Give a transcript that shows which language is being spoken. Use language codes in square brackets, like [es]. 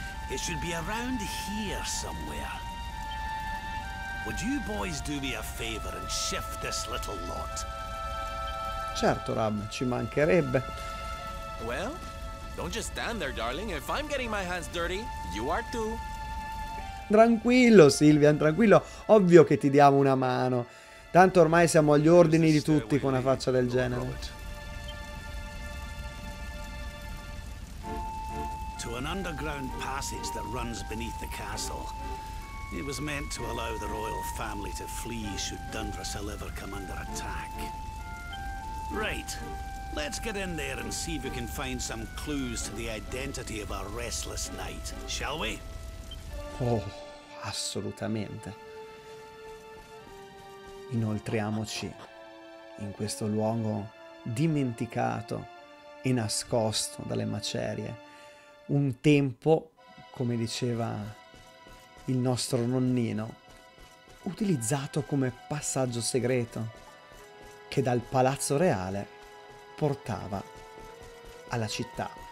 [en] It should be around here somewhere. Would you boys do me a favor and shift this little lot? [it] Certo, Rab, ci mancherebbe. [en] Well, don't just stand there, darling. If I'm getting my hands dirty, you are too. [it] Tranquillo, Sylvian, tranquillo. Ovvio che ti diamo una mano. Tanto ormai siamo agli ordini di tutti con una faccia del genere. [en] An underground passage that runs beneath the castle. It was meant to allow the royal family to flee should Dundrasil ever come under attack. Right, let's get in there and see if we can find some clues to the identity of our restless knight, shall we? [it] Oh, assolutamente. Inoltriamoci in questo luogo dimenticato e nascosto dalle macerie. Un tempo, come diceva il nostro nonnino, utilizzato come passaggio segreto che dal palazzo reale portava alla città.